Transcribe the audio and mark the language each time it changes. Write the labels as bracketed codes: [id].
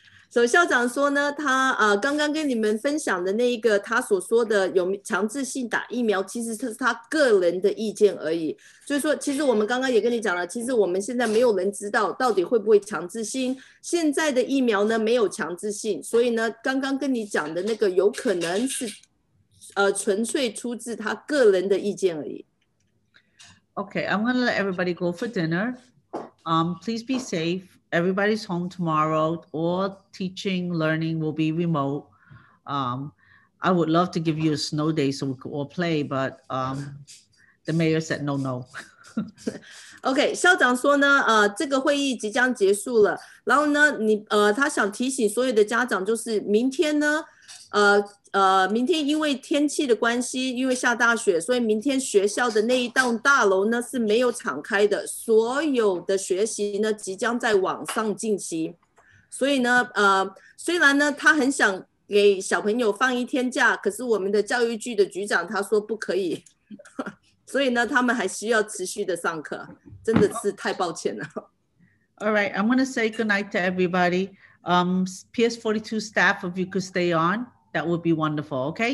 [zh] 所以校长说呢，他刚刚跟你们分享的那一个他所说的有强制性打疫苗，其实是他个人的意见而已。所以说，其实我们刚刚也跟你讲了，其实我们现在没有人知道到底会不会强制性。现在的疫苗呢没有强制性，所以呢，刚刚跟你讲的那个有可能是纯粹出自他个人的意见而已。 [en] Okay, I'm gonna let everybody go for dinner. Please be safe. Everybody's home tomorrow. All teaching, learning will be remote. I would love to give you a snow day so we could all play, but the mayor said no, no. [zh] Okay, 校长说呢，这个会议即将结束了。然后呢，你他想提醒所有的家长，就是明天呢，明天因为天气的关系，因为下大雪，所以明天学校的那一栋大楼呢是没有敞开的，所有的学习呢即将在网上进行。所以呢，虽然呢他很想给小朋友放一天假，可是我们的教育局的局长他说不可以，所以呢他们还需要持续的上课，真的是太抱歉了。 [en] All right, I'm gonna say good night to everybody. PS42 staff, if you could stay on.That would be wonderful, okay?